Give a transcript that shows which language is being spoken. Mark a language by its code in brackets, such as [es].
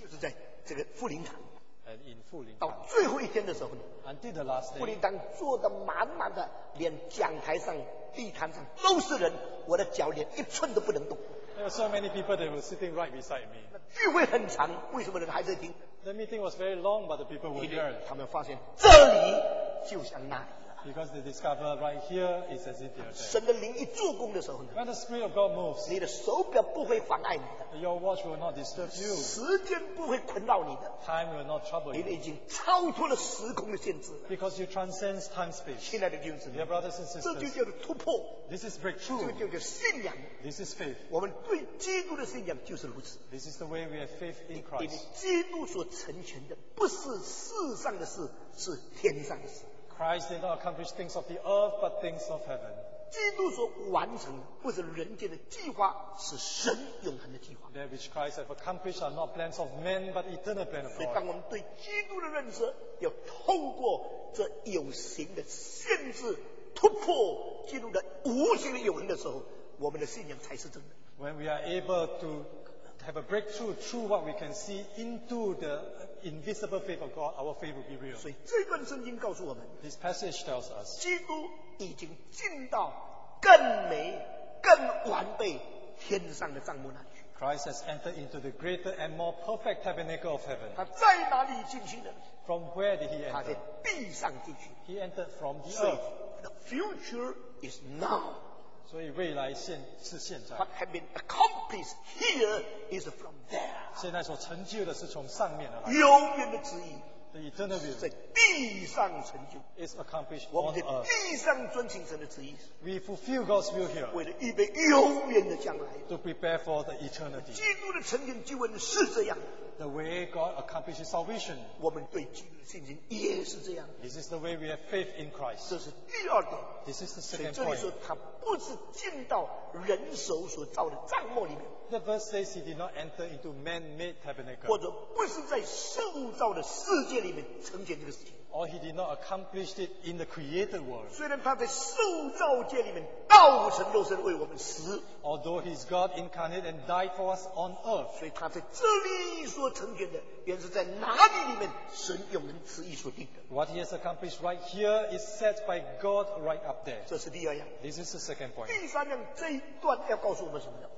[zh] 就是在这个富林堂。 [en] And in 富林堂。 [zh] 到最后一天的时候呢 [en] ？Until the last day. [zh] 富林堂坐得满满的，连讲台上、地毯上都是人，我的脚连一寸都不能动。 [en] There were so many people that were sitting right beside me. [zh] 聚会很长，为什么人还在听 [en] ？The meeting was very long, but the people were there. [zh] 他们发现这里就像那里了。 [en] Because they discover right here is as if they're there. [zh] 神的灵一做工的时候呢 [en] ？When the spirit of God moves, [zh] 你的手表不会妨碍你的。 [en] Your watch will not disturb you. [zh] 时间不会困扰你的。 [en] Time will not trouble you. [zh] 你已经超脱了时空的限制。 [en] Because you transcend time space. [zh] 亲爱的弟兄姊妹 [en] ，Dear brothers and sisters, [zh] 这就叫做突破。 [en] This is breakthrough. [zh] 这就叫做信仰。 [en] This is faith. [zh] 我们对基督的信仰就是如此。 [en] This is the way we have faith in Christ. [zh] 你基督所成全的不是世上的事，是天上的事。 [en] Christ did not accomplish things of the earth, but things of heaven. [zh] 基督所完成或者人间的计划是神永恒的计划。 [en] That which Christ have accomplished are not plans of men, but eternal plan of God. [zh] 所以当我们对基督的认识要透过这有形的限制突破基督的无形的永恒的时候，我们的信仰才是真的。 [en] When we are able to have a breakthrough through what we can see into the invisible faith of God, our faith will be real. [zh] 所以这段圣经告诉我们 [en] ，This passage tells us， [zh] 基督已经进到更美、更完备天上的帐幕那里去。 [en] Christ has entered into the greater and more perfect tabernacle of heaven. [zh] 他在哪里进去的 [en] ？From where did he enter？ [zh] 他在地上进去。 [en] He entered from the earth. The future is now. [zh] 所以未来现是现在。 [en] What had been accomplished here is from。 [zh] 现在所成就的是从上面而来，永远的旨意 [en] ，the eternal will [zh] 在地上成就 [en] ，is accomplished [zh] 我们在地上遵行神的旨意 [en] ，we fulfill God's will here， [zh] 为了预备永远的将来 [en] ，to prepare for the eternity。 [zh] 基督的成全救恩是这样 [en] ，the way God accomplishes salvation， [zh] 我们对基督的信心也是这样 [en] ，this is the way we have faith in Christ。 [zh] 这是第二点 [en] ，this is the second point。 [zh] 所以这里说他不是进到人手所造的帐幕里面。 [en] The verse says he did not enter into man-made tabernacle. [zh] 或者不是在受造的世界里面呈现这个事情。 [en] Or he did not accomplish it in the created world. [zh] 虽然他在受造界里面道成肉身为我们死。 [en] Although he is God incarnate and died for us on earth. [zh] 所以他在这里所呈现的，原是在哪里里面神永恒旨意所定的。 [en] What he has accomplished right here is set by God right up there. [zh] 这是第二样。 [en] This is the second point. [zh] 第三样，这一段要告诉我们什么呢？